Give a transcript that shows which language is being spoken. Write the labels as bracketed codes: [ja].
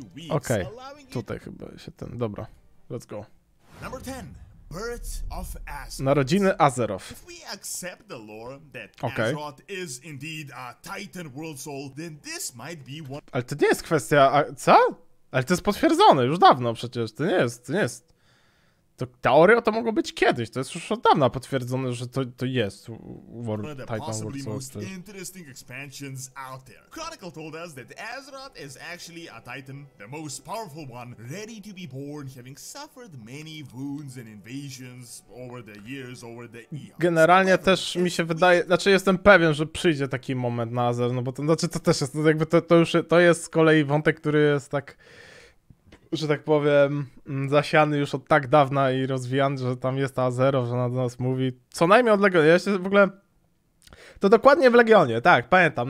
[pl] Okej, okay. Tutaj chyba się ten, dobra, [en] let's go. Number 10. Birth of Azeroth. [pl] Narodziny Azeroth. [en] If we accept the lore that Azeroth is indeed a Titan world soul, then this might be one. [pl] Ale to nie jest kwestia. A, co? Ale to jest potwierdzone już dawno przecież. To nie jest. To teoria to mogło być kiedyś. To jest już od dawna potwierdzone, że to jest Titan world soul. [en] One of the possibly most interesting expansions out there. Chronicle told us that Azeroth is actually a Titan, the most powerful one, ready to be born, having suffered many wounds and invasions over the years, over the eons. [pl] Generalnie też mi się wydaje, znaczy jestem pewien, że przyjdzie taki moment na Azeroth, no bo to znaczy to też jest, jakby to już jest z kolei wątek, który jest tak, że tak powiem, zasiany już od tak dawna i rozwijany, że tam jest ta Azeroth, że ona do nas mówi. Co najmniej od Legionu. Ja się w ogóle... To dokładnie w Legionie, tak, pamiętam.